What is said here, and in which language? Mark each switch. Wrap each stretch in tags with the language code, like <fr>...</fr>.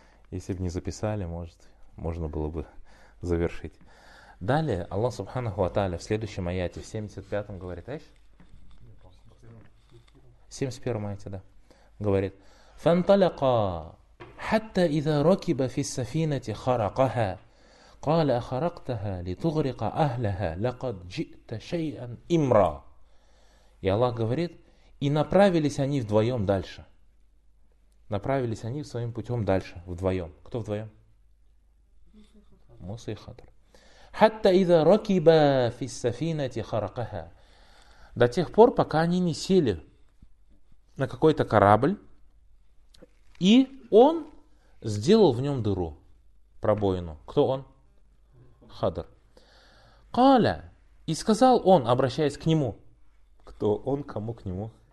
<ru>Если бы не записали, может, можно было бы завершить. Далее, Аллах Субханаху ва Тааля в следующем аяте, в 75-м говорит, аиш? В 71-м аяте, да. Говорит,</ru> <ar>«Фанталака, хатта иза рокиба фис сафинати харакаха». قال أخرقتها لتغرق أهلها لقد جئت شيئا إمرا.</ar> <ru>И Аллах говорит, и направились они вдвоем дальше. Направились они своим путем дальше, вдвоем. Кто вдвоем? Муса и Хатр.</ru> <ar>حتى إذا ركب في السفينة خرقها.</ar> <ru>До тех пор, пока они не сели на какой-то корабль, и он сделал в нем дыру, пробоину. Кто он? Хадр. Каля. И сказал он, обращаясь к нему. Кто он, кому к нему?</ru>